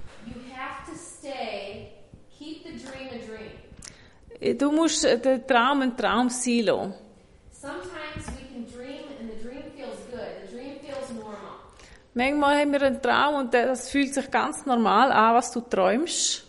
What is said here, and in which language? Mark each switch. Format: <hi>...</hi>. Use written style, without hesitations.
<en>You have to stay, keep the dream a dream.</en> <de>Du musst den Traum ein Traum sein lassen.</de> <en>Sometimes we can dream and the dream feels good. The dream feels normal.</en> <de>Manchmal haben wir einen Traum und das fühlt sich ganz normal an, was du träumst.</de>